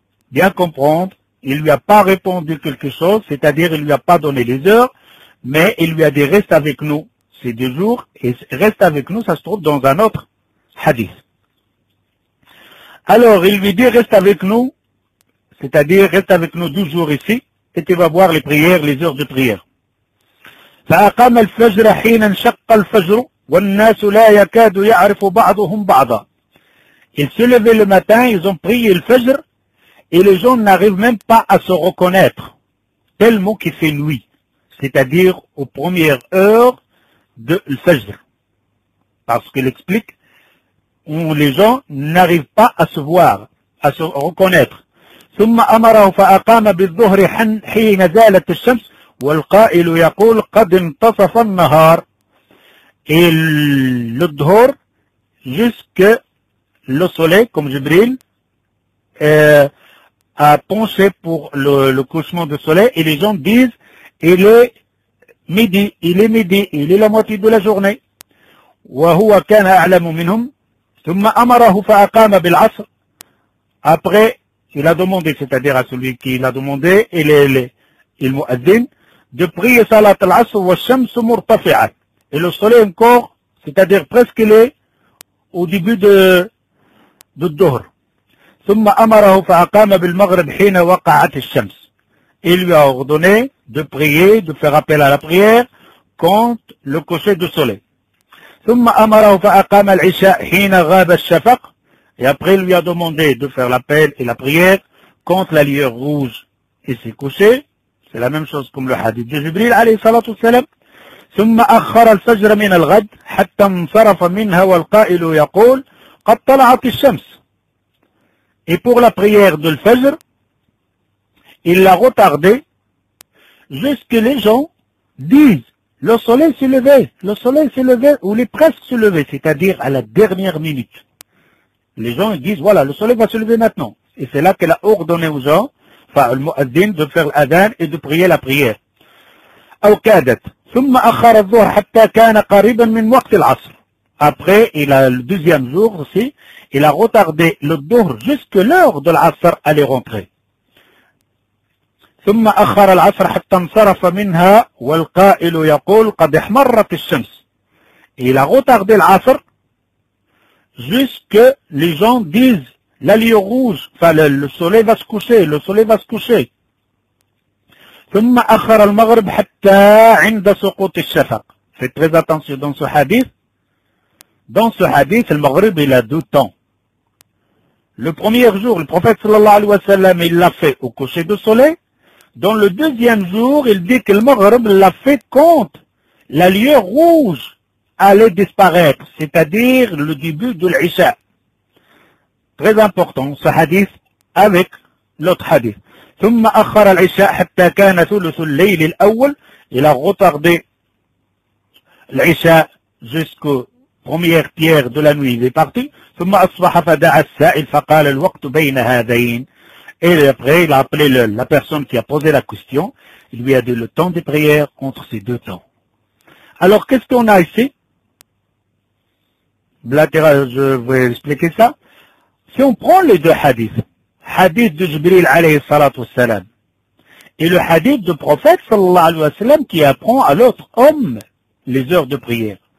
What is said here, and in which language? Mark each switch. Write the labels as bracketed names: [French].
[French] Bien comprendre, il lui a pas répondu quelque chose, c'est-à-dire il lui a pas donné les heures, mais il lui a dit reste avec nous ces 2 jours, et reste avec nous, ça se trouve dans un autre hadith. Alors, il lui dit reste avec nous, c'est-à-dire reste avec nous 2 jours ici, et tu vas voir les prières, les heures de prière. [Arabic] فأقام الفجر حين انشق الفجر والناس لا يكاد يعرف بعضهم بعضا. [French] Ils se levaient le matin, ils ont prié le fajr, et les gens n'arrivent même pas à se reconnaître, tellement qu'il fait nuit, c'est-à-dire aux premières heures de le fajr. Parce qu'il explique, où les gens n'arrivent pas à se voir, à se reconnaître. [Arabic] ثم أمره فأقام بالظهر حين زالت الشمس والقائل يقول قد انتصف النهار. [French] Et le dhuhr, jusque le soleil, comme Jibril, a penché pour le couchement du soleil, et les gens disent, il est midi, il est midi, il est la moitié de la journée. [Arabic] وهو كان أعلم منهم ثم أمره فأقام بالعصر. [French] Après, il a demandé, c'est-à-dire à celui qui l'a demandé, il muadzin, de prier [Arabic] salat al-asr wa shams murtafi'a. [French] Et le soleil encore, c'est-à-dire presque il est au début de dhuhr. [Arabic] ثم أمره فأقام بالمغرب حين وقعت الشمس. [French] Il lui a ordonné de prier, de faire appel à la prière quand le coucher du soleil. [Arabic] ثم أمره فأقام العشاء حين غاب الشفق. [French] Et après, il lui a demandé de faire l'appel et la prière quand la lueur rouge et s'est couchée. C'est la même chose comme le hadith de Jibril, alayhi salatu wa salam. [Arabic] ثم أخر الفجر من الغد حتى انصرف منها والقائل يقول قد طلعت الشمس. [French] Et pour la prière de l'Fajr, il l'a retardé jusqu'à ce que les gens disent le soleil s'est levé, le soleil s'est levé, ou il est presque se levé, c'est-à-dire à la dernière minute. Les gens disent voilà, le soleil va se lever maintenant. Et c'est là qu'elle a ordonné aux gens, enfin le muaddin, de faire l'adhan et de prier la prière. [Arabic] ثم أخر الظهر حتى كان قريبا من وقت العصر. [French] Après, il a le deuxième jour aussi, il a retardé le dhuhr jusque l'heure de l'asr allait rentrer. [Arabic] ثم أخر العصر حتى انصرف منها والقائل يقول قد احمرت الشمس. [French] Il a retardé l'asr jusque les gens disent la lueur rouge, enfin le soleil va se coucher, le soleil va se coucher. [Arabic] ثم أخر المغرب حتى عند سقوط الشفق. [French] Faites très attention dans ce hadith. Dans ce hadith, le Maghrib, il a 2 temps. Le premier jour, le prophète sallallahu alayhi wa sallam, il l'a fait au coucher du soleil. Dans le deuxième jour, il dit que le Maghrib l'a fait quand la lueur rouge allait disparaître, c'est-à-dire le début de l'Isha. Très important ce hadith avec l'autre hadith. [Arabic] ثم أخر العشاء حتى كان ثلث الليل الأول. [French] Il a retardé العشاء jusqu'au première tiers de la nuit, il est parti. [Arabic] ثم أصبح فدعا السائل فقال الوقت بين هذين. [French] Et après, il a appelé la personne qui a posé la question. Il lui a dit le temps des prières entre ces 2 temps. Alors, qu'est-ce qu'on a ici? Je vais expliquer ça. Si on prend les 2 hadiths, hadith de Jibril alayhi salatu wa salam, et le hadith du prophète sallallahu alayhi wa sallam qui apprend à l'autre homme les heures de prière.